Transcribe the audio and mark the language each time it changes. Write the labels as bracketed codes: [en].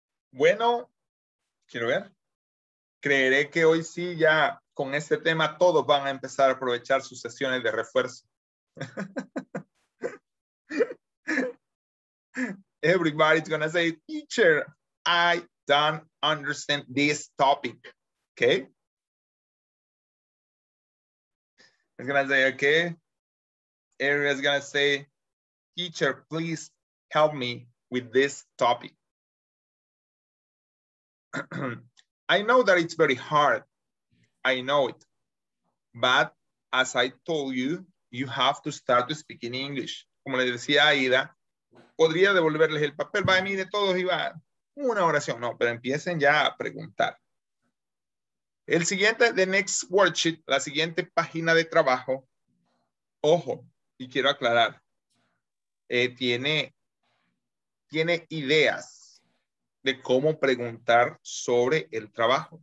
[es] Bueno, quiero ver. Creeré que hoy sí ya con este tema todos van a empezar a aprovechar sus sesiones de refuerzo. [en] Everybody's gonna say, teacher, I don't understand this topic. Okay? It's gonna say, okay. Everybody's gonna say, teacher, please help me with this topic. I know that it's very hard. I know it. But as I told you, you have to start to speak in English. [es] Como les decía Aida, podría devolverles el papel. Va a mí de todos y va una oración. No, pero empiecen ya a preguntar. El siguiente, [en] the next worksheet, [es] la siguiente página de trabajo. Ojo, y quiero aclarar. Tiene ideas de cómo preguntar sobre el trabajo.